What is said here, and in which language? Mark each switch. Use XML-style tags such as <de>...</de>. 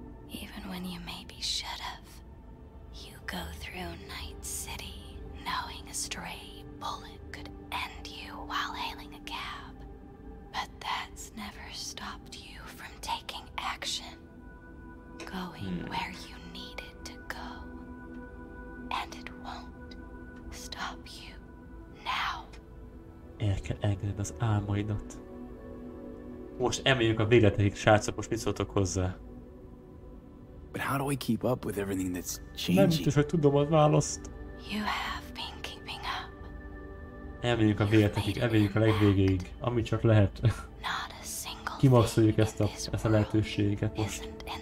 <en>Even when you maybe should have. You go through Night City knowing a stray bullet could end you while hailing a cab. But that's never stopped you from taking action. Going where you needed to go, and it won't stop you now.</en> <hu>El kell engedned az álmaidat. Most emeljük a végletekig, srácok, most mit szóltok hozzá?</hu> <en>But how do I keep up with everything that's changing?</en> <hu>Nem biztos, hogy tudom az választ.</hu> <en>You have been keeping up.</en> <hu>Emeljük a végletekig, emeljük a legvégéig, amit csak lehet.</hu> <en>Not a single</en> <hu>kimasszoljuk ezt a lehetőséget most.</hu>